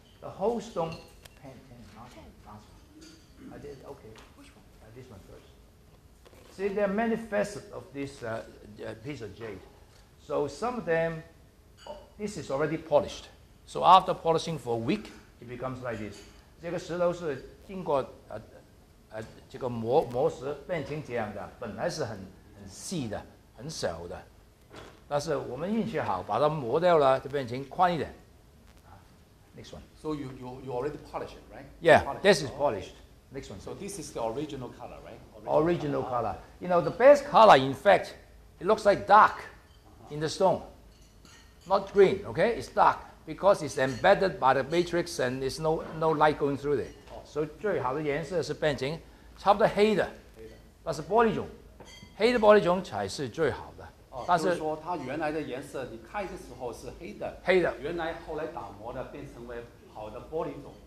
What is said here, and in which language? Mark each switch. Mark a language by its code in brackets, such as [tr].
[en] The whole stone, pen 10, last one. I did, okay. Which one? This one first. See, there are many facets of this piece of jade. So some of them, this is already polished. So after polishing for a week, it becomes like this. [zh] 这个石头是经过这个磨石变成这样的，本来是很细的，很小的，但是我们运气好，把它磨掉了，就变成宽一点。 [en] Next one. So you already polished it, right? Yeah, this is polished. Next one. So this is the original color, right? Original color. You know, the best color, in fact, it looks like dark in the stone. Not green, okay? It's dark because it's embedded by the matrix and there's no light going through there. [zh] So 最好的颜色是变成差不多黑的，但是玻璃种，黑的玻璃种才是最好的。但是说它原来的颜色，你开的时候是黑的，黑的，原来后来打磨的变成为好的玻璃种，